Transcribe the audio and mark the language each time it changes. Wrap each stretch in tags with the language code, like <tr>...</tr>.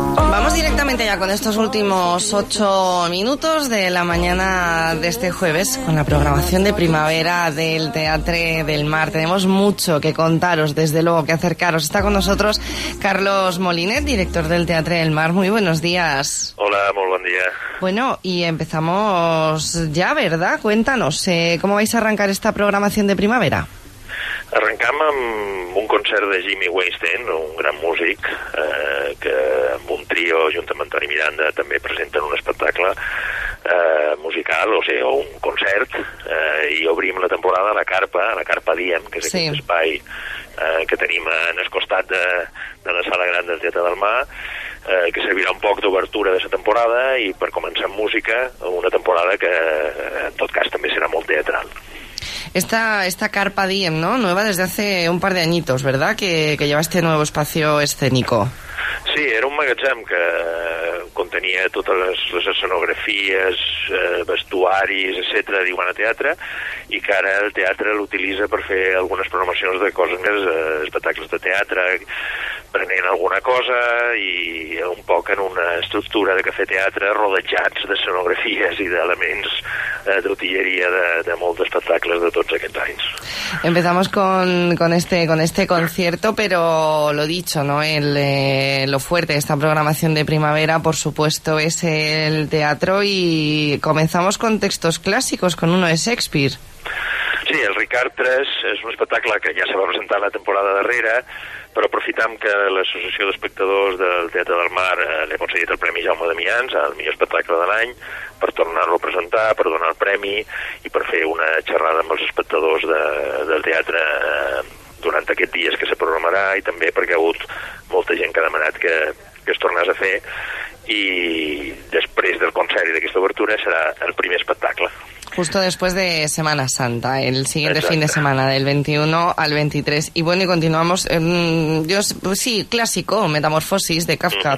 <es>Vamos directamente ya con estos últimos 8 minutos de la mañana de este jueves con la programación de primavera del Teatre del Mar. Tenemos mucho que contaros, desde luego, que acercaros. Está con nosotros Carlos Molinet, director del Teatre del Mar. Muy buenos días. Hola, muy buen día. Bueno, y empezamos ya, ¿verdad? Cuéntanos, ¿cómo vais a arrancar esta programación de primavera?</es> <ca>Arrencam amb un concert de Jimmy Weinstein, un gran músic, que amb un trio, juntament amb Toni Miranda, també presenten un espectacle musical, o sigui, o un concert, i obrim la temporada a la Carpa Diem, que és sí. aquest espai que tenim en el costat de la Sala Gran del Teatre del Mar, que servirà un poc d'obertura de la temporada i per començar amb música, una temporada que en tot cas també serà molt teatral.</ca> <es>Esta Carpa Diem, ¿no? Nueva desde hace un par de añitos, ¿verdad? Que lleva este nuevo espacio escénico.</es> <ca>Sí, era un magatzem que contenia totes les escenografies, vestuaris, etc., diuen a teatre, i que ara el teatre l'utilitza per fer algunes programacions de coses, espectacles de teatre, prenent alguna cosa i un poc en una estructura de cafè-teatre rodejats d'escenografies i d'elements d'utilleria de molts espectacles de tots aquests anys.</ca> <es>Empezamos con este concierto, pero lo dicho, ¿no? Lo fuerte de esta programación de primavera, por supuesto, es el teatro, y comenzamos con textos clásicos, con uno de Shakespeare.</es> <ca>Sí, el Ricard III es un espectacle que ja se va presentar la temporada darrera, però aprofitant que l'Associació d'Espectadors del Teatre del Mar li ha concedit el Premi Jaume Damians al millor espectacle de l'any, per tornar-lo a presentar, per donar el premi i per fer una xerrada amb els espectadors del teatre durant aquests dies que se programarà, i també perquè ha hagut molta gent que ha demanat que es tornés a fer, i després del concert i d'aquesta obertura serà el primer espectacle.</ca> <es>Justo después de Semana Santa, el siguiente Exacto. fin de semana, del 21 al 23. Y bueno, y continuamos, pues sí, clásico, Metamorfosis de Kafka mm-hmm.</es>